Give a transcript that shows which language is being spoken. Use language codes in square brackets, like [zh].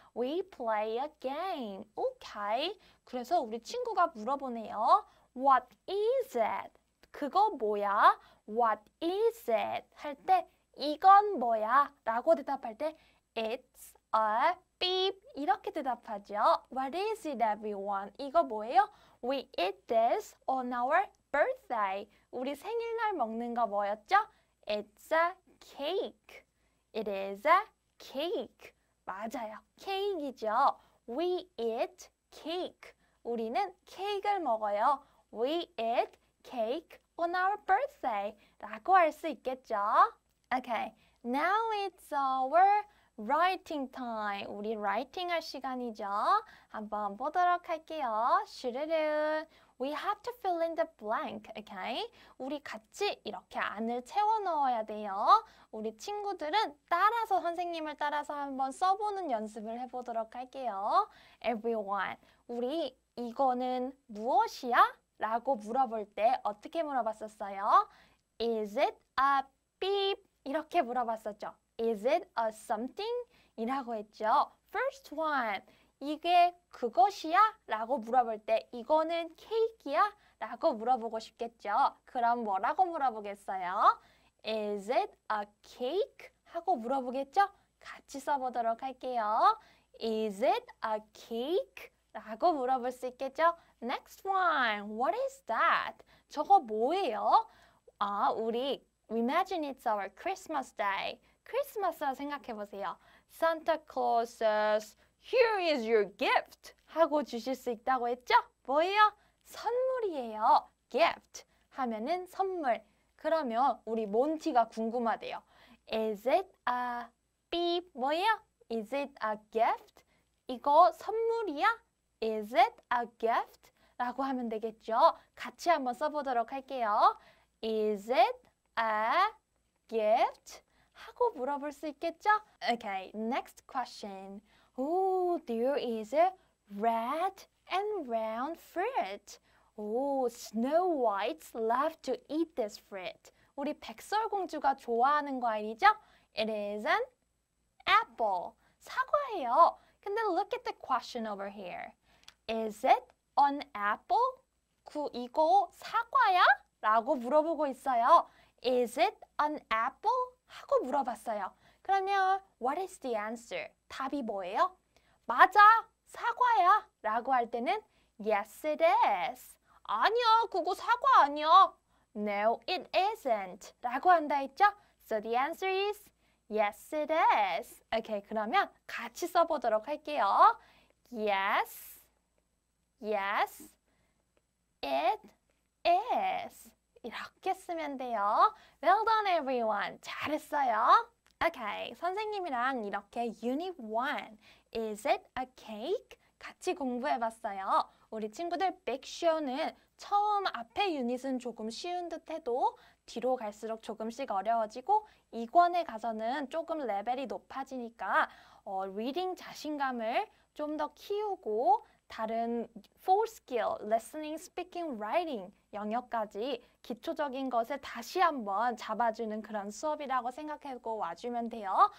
[en] We play a game. Okay. [ko] 그래서 우리 친구가 물어보네요. [en] What is it? [ko] 그거 뭐야? [en] What is it? [ko] 할 때 이건 뭐야? 라고 대답할 때 [en] It's a beep. [ko] 이렇게 대답하죠. [en] What is it, everyone? [ko] 이거 뭐예요? [en] We eat this on our birthday. [ko] 우리 생일날 먹는 거 뭐였죠? [en] It's a cake. It is a cake. [ko] 맞아요. 케이크죠. [en] We eat cake. [ko] 우리는 케이크를 먹어요. [en] We eat cake on our birthday. [ko] 라고 할 수 있겠죠. [en] Okay. Now it's our writing time. [ko] 우리 writing 할 시간이죠. 한번 보도록 할게요. 슈르르. [en] We have to fill in the blank, okay? [ko] 우리 같이 이렇게 안을 채워 넣어야 돼요. 우리 친구들은 따라서 선생님을 따라서 한번 써보는 연습을 해보도록 할게요. Everyone, 우리 이거는 무엇이야? 라고 물어볼 때 어떻게 물어봤었어요? [en] Is it a beep? [ko] 이렇게 물어봤었죠. [en] Is it a something? [ko] 이라고 했죠. [en] First one. [ko] 이게 그것이야? 라고 물어볼 때 이거는 케이크야? 라고 물어보고 싶겠죠. 그럼 뭐라고 물어보겠어요? [en] Is it a cake? [ko] 하고 물어보겠죠? 같이 써보도록 할게요. [en] Is it a cake? [ko] 라고 물어볼 수 있겠죠? [en] Next one. What is that? [ko] 저거 뭐예요? 아, 우리 [en] Imagine it's our Christmas day. [ko] 크리스마스라 생각해보세요. [en] Santa Claus says Here is your gift! [ko] 하고 주실 수 있다고 했죠? 뭐예요? 선물이에요. Gift 하면은 선물. 그러면 우리 몬티가 궁금하대요. [en] Is it a beep? [ko] 뭐예요? [en] Is it a gift? [ko] 이거 선물이야? [en] Is it a gift? [ko] 라고 하면 되겠죠? 같이 한번 써보도록 할게요. [en] Is it a gift? [ko] 하고 물어볼 수 있겠죠? [en] Okay, next question. Oh, there is a red and round fruit. Oh, Snow White loves to eat this fruit. [ko] 우리 백설공주가 좋아하는 과일이죠? [en] It is an apple. [ko] 사과예요. 근데 [en] look at the question over here. Is it an apple? [ko] 이거 사과야? 라고 물어보고 있어요. [en] Is it an apple? [ko] 하고 물어봤어요. 그러면 [en] what is the answer? [ko] 답이 뭐예요? 맞아! 사과야! 라고 할 때는 [en] Yes, it is. [ko] 아니야, 그거 사과 아니야. [en] No, it isn't. [ko] 라고 한다 했죠? [en] So the answer is yes, it is. [ko] Okay, 그러면 같이 써보도록 할게요. [en] Yes, yes, it is. [ko] 이렇게 쓰면 돼요. [en] Well done, everyone. [ko] 잘했어요. [en] Okay, [ko] 선생님이랑 이렇게 [en] Unit 1, Is it a cake? [ko] 같이 공부해봤어요. 우리 친구들 Big Show는 처음 앞에 유닛은 조금 쉬운 듯해도 뒤로 갈수록 조금씩 어려워지고 2권에 가서는 조금 레벨이 높아지니까 리딩 자신감을 좀 더 키우고 다른 4 skill, [en] listening, speaking, writing [ko] 영역까지 기초적인 것을 다시 한번 잡아주는 그런 수업이라고 생각하고 와주면 돼요.